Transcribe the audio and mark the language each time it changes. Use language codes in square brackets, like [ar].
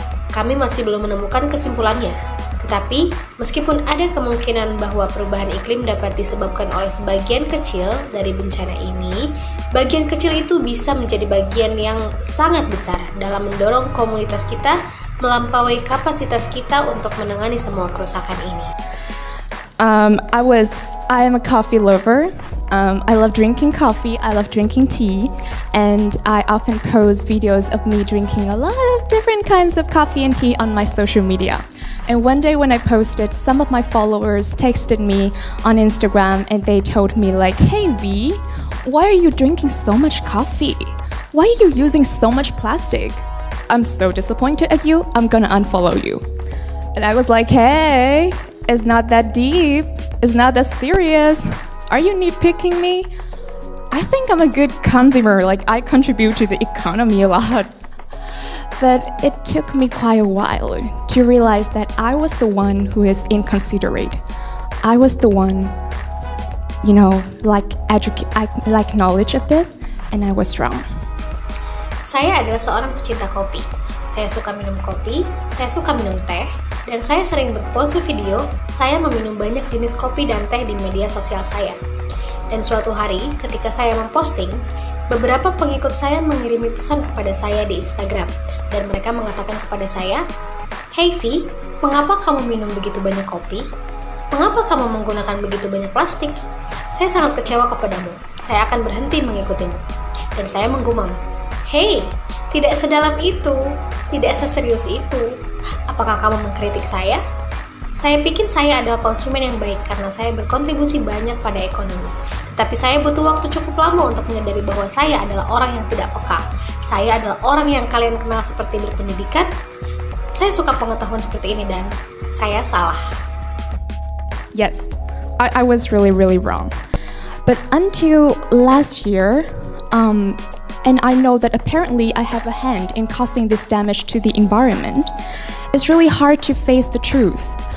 [id] Kami masih belum menemukan kesimpulannya. Tetapi, meskipun ada kemungkinan bahwa perubahan iklim dapat disebabkan oleh sebagian kecil dari bencana ini, bagian kecil itu bisa menjadi bagian yang sangat besar dalam mendorong komunitas kita melampaui kapasitas kita untuk menangani semua kerusakan ini. [en] I am a coffee lover. I love drinking coffee, I love drinking tea, and I often post videos of me drinking a lot of different kinds of coffee and tea on my social media. And one day when I posted, some of my followers texted me on Instagram and they told me like, hey V, why are you drinking so much coffee? Why are you using so much plastic? I'm so disappointed at you, I'm gonna unfollow you. And I was like, hey, it's not that deep. It's not that serious. Are you nitpicking me? I think I'm a good consumer. Like, I contribute to the economy a lot. But it took me quite a while to realize that I was the one who is inconsiderate. I was the one, you know, like knowledge of this, and I was wrong. [id] Saya adalah seorang pecinta kopi. Saya suka minum kopi, saya suka minum teh, dan saya sering berpose video saya meminum banyak jenis kopi dan teh di media sosial saya. Dan suatu hari, ketika saya memposting, beberapa pengikut saya mengirimi pesan kepada saya di Instagram, dan mereka mengatakan kepada saya, "Hey V, mengapa kamu minum begitu banyak kopi? Mengapa kamu menggunakan begitu banyak plastik? Saya sangat kecewa kepadamu. Saya akan berhenti mengikutimu." Dan saya menggumam, "Hey, tidak sedalam itu, tidak seserius itu. Apakah kamu mengkritik saya? Saya pikir saya adalah konsumen yang baik karena saya berkontribusi banyak pada ekonomi. Tetapi saya butuh waktu cukup lama untuk menyadari bahwa saya adalah orang yang tidak peka. Saya adalah orang yang kalian kenal seperti berpendidikan. Saya suka pengetahuan seperti ini dan saya salah." [en] Yes, I was really, really wrong. But until last year, and I know that apparently I have a hand in causing this damage to the environment, it's really hard to face the truth.